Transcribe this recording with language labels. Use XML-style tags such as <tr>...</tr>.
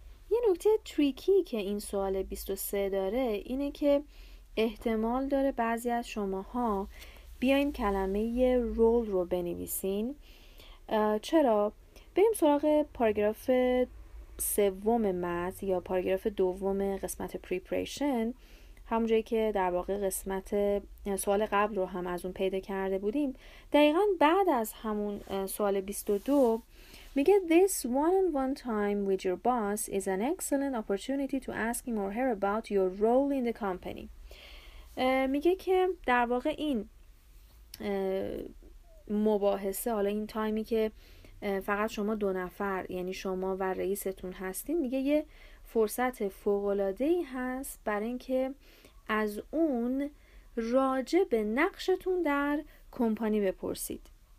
<fa>یه نکته تریکی که این سوال 23 داره اینه که احتمال داره بعضی از شماها بیاین کلمه یه رول رو بنویسین. چرا؟ بریم سراغ پاراگراف سوم متن یا پاراگراف دوم قسمت preparation، همونجایی که در واقع قسمت سوال قبل رو هم از اون پیدا کرده بودیم. دقیقا بعد از همون سوال 22 میگه</fa> <en>This one-on-one time with your boss is an excellent opportunity to ask him or her about your role in the company.</en> <fa>میگه که در واقع این مباحثه، حالا این تایمی که فقط شما دو نفر یعنی شما و رئیستون هستین، میگه یه فرصت فوق‌العاده‌ای هست برای اینکه از اون راجع به نقشتون در کمپانی بپرسید.</fa>